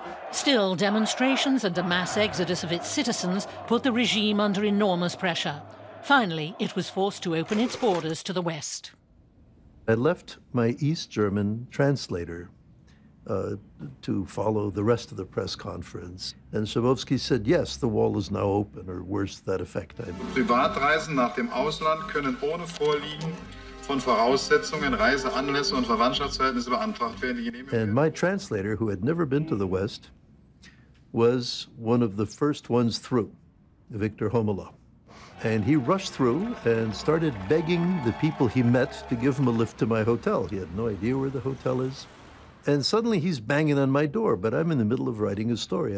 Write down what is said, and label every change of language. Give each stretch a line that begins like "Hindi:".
English: Still, demonstrations and a mass exodus of its citizens put the regime under enormous pressure. Finally, it was forced to open its borders to the West. I left my East German translator to follow the rest of the press conference. And Schabowski said, yes, the wall is now open, or worse to that effect, I mean.
German: Privatreisen nach dem Ausland können ohne Vorliegen von Voraussetzungen, Reiseanlässe und Verwandtschaftsverhältnisse beantragt werden.
English: And my translator, who had never been to the West, was one of the first ones through, Viktor Homola. And he rushed through and started begging the people he met to give him a lift to my hotel. He had no idea where the hotel is. And suddenly he's banging on my door, but I'm in the middle of writing a story.